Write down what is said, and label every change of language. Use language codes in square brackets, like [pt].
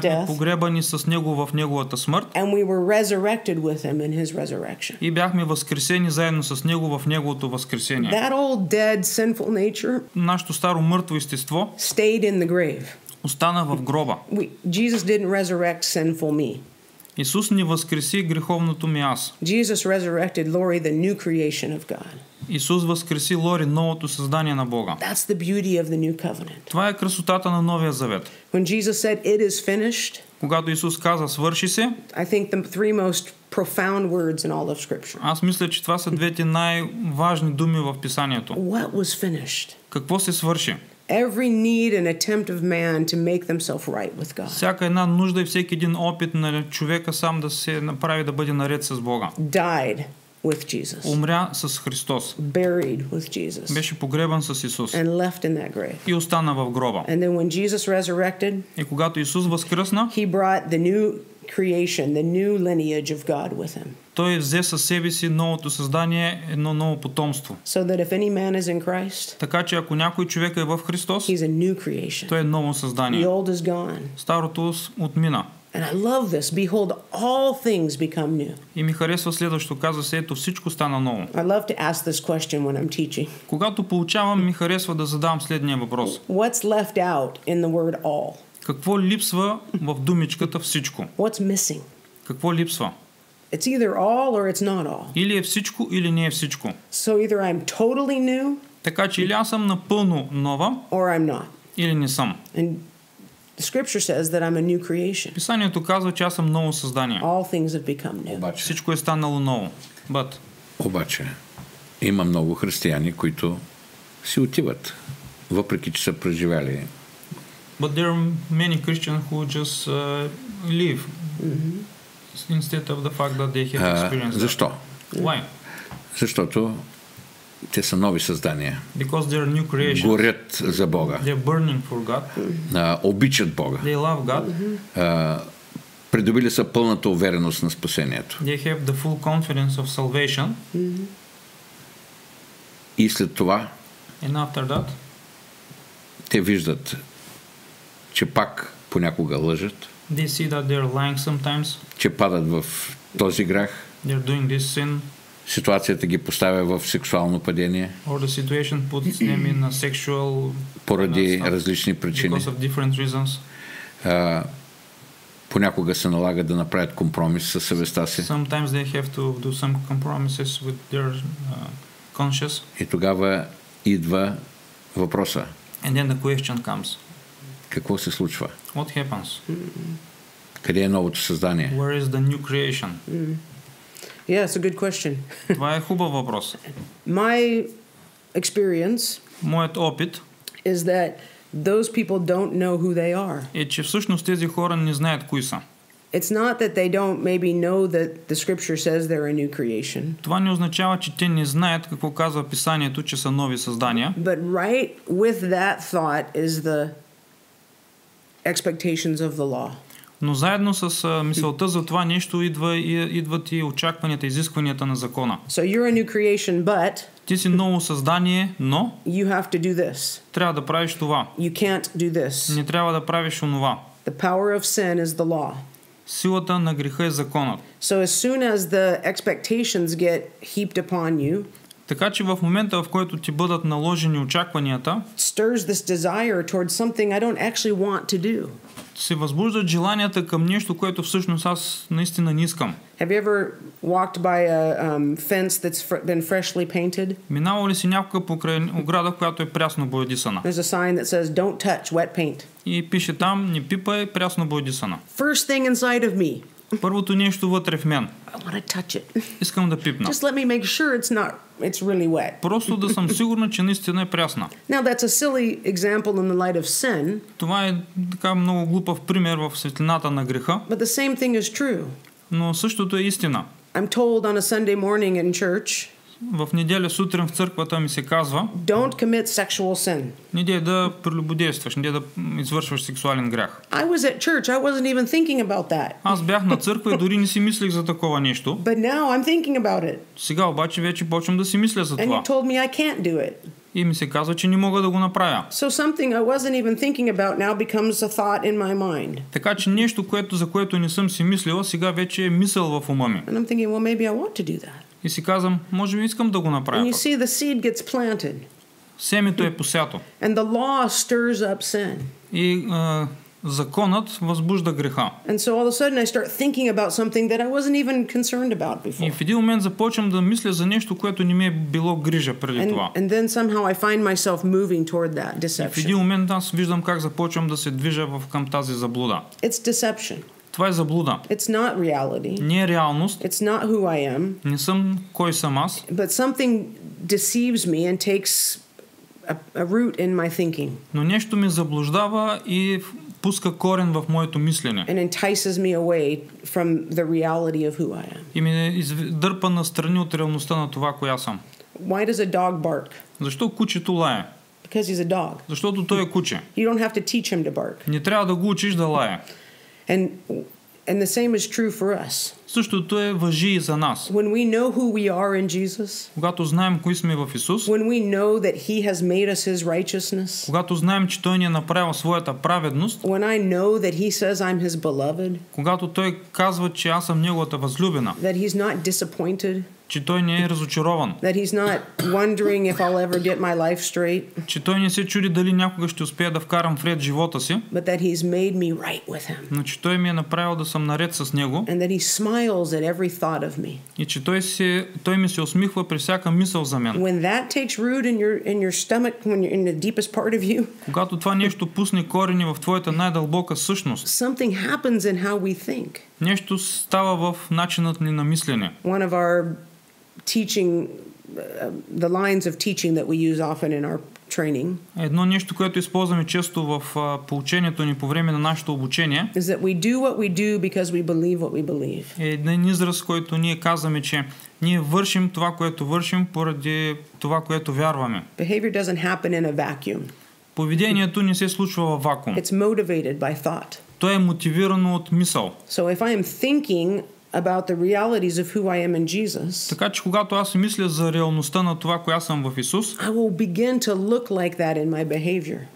[bg] Бяхме погребани с него в неговата смърт. [en] And we were resurrected with him in his resurrection. [bg] И бяхме възкресени заедно с него в неговото възкресение. [en] That old dead sinful nature. [bg] Нашето старо мъртво естество [en] stayed in the grave. [bg] остана в гроба. [en] Jesus didn't resurrect sinful me. [bg] Исус не възкреси греховното ми аз. [en] Jesus resurrected Lori, the new creation of God. [bg] Исус възкреси Лори, новото създание на Бога. [en] That's the beauty of the new covenant. [bg] Това е красотата на новия завет. [en] When Jesus said it is finished, [bg] когато Исус каза свърши се, [en] I think the three most profound words in all of scripture. [bg] Аз мисля, че това са двете най-важни думи в писанието. [en] What was finished? [bg] Какво се свърши? [en] Every need and attempt of man to make themselves right with God. [bg] Всяка една нужда и всеки един опит на човека сам да се направи да бъде наред с Бога. [en] Died with Jesus. [bg] Умря с Христос. [en] Buried with Jesus. [bg] Беше погребан с Исус. [en] And left in that grave. [bg] И остана в гроба. [en] And then when Jesus resurrected, [bg] и когато Исус възкръсна, [en] he brought the new creation, the new lineage of God with him. [bg] Той взе със себе си новото създание, едно ново потомство. [en] So that if any man is in Christ, [bg] така че ако някой човек е в Христос, [en] he's a new creation. [bg] Той е ново създание. [en] The old is gone. [bg] Старото отмина. [en] And I love this. Behold, all things become new. [bg] И ми харесва следващото, казва се, ето всичко стана ново. [en] I love to ask this question when I'm teaching. [bg] Когато поучавам, ми харесва да задавам следния въпрос. [en] What's left out in the word all? [bg] Какво липсва в думичката всичко? [en] What's missing? [bg] Какво липсва? [en] It's either all or it's not all. [bg] Или е всичко, или не е всичко. [en] So either I'm totally new, [bg] така че или аз съм напълно нова, [en] or I'm not. [bg] Или не съм. [en] And the scripture says that I'm a new creation. [bg] Писанието казва, че аз съм ново създание. [en] All things have become new. [bg] Обаче, всичко е станало ново. [en] But, [bg] обаче, има много християни, които си отиват, въпреки че са преживяли. [en] But there are many Christians who just leave. Mm-hmm. Instead of the fact that they have experienced. [bg] Защо? [en] Why? [bg] Защото те са нови създания. [en] Because they are new creations. [bg] Горят за Бога. [en] They are burning for God. [bg] Обичат Бога. [en] They love God. [bg] Придобили са пълната увереност на спасението. [en] They have the full confidence of salvation. [bg] И след това, [en] and after that, [bg] те виждат, че пак понякога лъжат. [en] They see that they're lying sometimes. [bg] Че падат в този грях. [en] They're doing this sin. [bg] Ситуацията ги поставя в сексуално падение. [en] Or the situation puts them in a sexual, [bg] поради различни причини. [en] Because of different reasons. [bg] Понякога се налага да направят компромис със съвестта си. [en] Sometimes they have to do some compromises with their conscience. [bg] И тогава идва въпроса. [en] And then the question comes. [bg] Какво се случва? [en] What happens? [bg] Къде е новото създание? [en] Where is the new creation? Yeah, it's a good question. [bg] Това е хубав въпрос. [en] My experience, [bg] моят опит, [en] is that those people don't know who they are. [bg] Е, че всъщност тези хора не знаят кои са. [en] It's not that they don't maybe know that the scripture says they're a new creation. [bg] Това не означава, че те не знаят какво казва писанието, че са нови създания. [en] But right with that thought is the expectations of the law. [bg] Но заедно с мисълта за това нещо идват и очакванията, изискванията на закона. [en] So you're a new creation, but [bg] ти си ново създание, но [en] you have to do this. [bg] Трябва да правиш това. [en] You can't do this. [bg] Не трябва да правиш онова. [en] The power of sin is the law. [bg] Силата на греха е законът. [en] So as soon as the expectations get heaped upon you, [bg] така че в момента, в който ти бъдат наложени очакванията, [en] stirs this desire towards something I don't actually want to do. [bg] Се възбуждат желанията към нещо, което всъщност аз наистина не искам. [en] Have you ever walked by a fence that's been freshly painted? [bg] Минавал ли си някога покрай ограда, която е прясно боядисана? [en] There's a sign that says don't touch wet paint. [bg] И пише там, не пипай прясно боядисана. [en] First thing inside of me. [bg] Първото нещо вътре в мен. [en] I want to touch it. [bg] Искам да пипна. [en] Just let me make sure it's not, it's really wet. [bg] Просто да съм сигурна, че наистина е прясна. [en] Now that's a silly example in the light of sin. [bg] Това е така много глупав пример в светлината на греха. [en] But the same thing is true. [bg] Но същото е истина. [en] I'm told on a Sunday morning in church. [bg] В неделя сутрин в църквата ми се казва: [en] don't commit sexual sin. [bg] Не дей да прелюбодействаш, не дей да извършваш сексуален грях. [en] I was at church, I wasn't even thinking about that. [bg] Аз бях на църква и дори не си мислих за такова нещо. [en] But now I'm thinking about it. [bg] Сега обаче вече почвам да си мисля за това. [en] And you told me I can't do it. [bg] И ми се казва, че не мога да го направя. [en] So something I wasn't even thinking about now becomes a thought in my mind. [bg] Така че нещо, което за което не съм си мислила, сега вече е мисъл в ума ми. [en] And I'm thinking, well, maybe I want to do that. [bg] И си казвам, може би искам да го направя. [en] And you see, the seed gets planted. [bg] Семето е посято. [en] And the law stirs up sin. [bg] И законът възбужда греха. [en] And so all of a sudden I start thinking about something that I wasn't even concerned about before. [bg] И в един момент започвам да мисля за нещо, което не ми е било грижа преди [en] and, [bg] това. [en] And then somehow I find myself moving toward that deception. [bg] И в един момент аз виждам как започвам да се движа към тази заблуда. [en] It's deception. [bg] Това е заблуда. [en] It's not reality. [bg] Не е реалност. [en] It's not who I am. [bg] Не съм кой съм аз. [en] But something deceives me and takes a root in my thinking. [bg] Но нещо ме заблуждава и пуска корен в моето мислене. [en] And entices me away from the reality of who I am. [bg] И ме дърпа настрани от реалността на това, коя съм. [en] Why does a dog bark? [bg] Защо кучето лае? [en] Because he's a dog. [bg] Защото той е куче. [en] You don't have to teach him to bark. [bg] Не трябва да го учиш да лае. [en] And the same is true for us. [bg] Същото е важи и за нас. [en] When we know who we are in Jesus. [bg] Когато знаем кои сме в Исус. [en] When we know that he has made us his righteousness. [bg] Когато знаем, че той ни е направил своята праведност. [en] When I know that he says I'm his beloved. [bg] Когато той казва, че аз съм неговата възлюбена. [en] That he's not disappointed. [bg] Че той не е разочарован. [en] That he's not wondering if I'll ever get my life straight. [bg] Че той не се чуди дали някога ще успея да вкарам в ред живота си. [en] But that he's made me right with him. [bg] Но че той ми е направил да съм наред с него. [en] And that he smiles at every thought of me. [bg] И че той ми се усмихва при всяка мисъл за мен. [en] When that takes root in your stomach, when you're in the deepest part of you. [bg] Когато това нещо пусне корени в твоята най-дълбока същност. [en] Something happens in how we think. [bg] Нещо става в начинът ни на мислене. [en] One of our teaching the lines of teaching that we use often in our training. [bg] Едно нещо, което използваме често в поучението ни по време на нашето обучение. [en] Is that we do what we do because we believe what we believe. [bg] Един израз, който ние казваме, че ние вършим това, което вършим, поради това, което вярваме. [en] Behavior doesn't happen in a vacuum. [bg] Поведението не се случва във вакуум. [en] It's motivated by thought. [bg] То е мотивирано от мисъл. [en] So if I am thinking about the realities of who I am in Jesus. [bg] Така че когато аз мисля за реалността на това, коя съм в Исус, [en] I will begin to look like that in my behavior.